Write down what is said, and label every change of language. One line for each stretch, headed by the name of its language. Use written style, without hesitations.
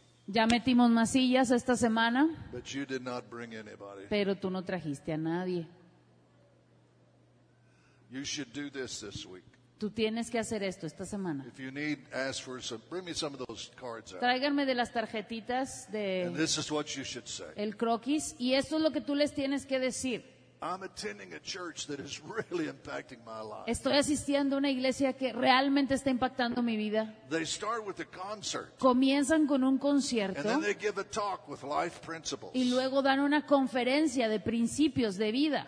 Spanish: Ya metimos más sillas esta semana.
English: But you did not bring anybody.
Spanish: Pero tú no trajiste a nadie.
English: You should do this week.
Spanish: Tú tienes que hacer esto esta semana.
English: If you need, ask for some, bring me some of those cards out.
Spanish: Tráiganme de las tarjetitas de
English: And this is what you should say.
Spanish: El croquis y esto es lo que tú les tienes que decir.
English: I'm attending a church that is really impacting my life.
Spanish: Estoy asistiendo a una iglesia que realmente está impactando mi vida.
English: They start with a concert.
Spanish: Comienzan con un concierto.
English: And then they give a talk with life principles.
Spanish: Y luego dan una conferencia de principios de vida.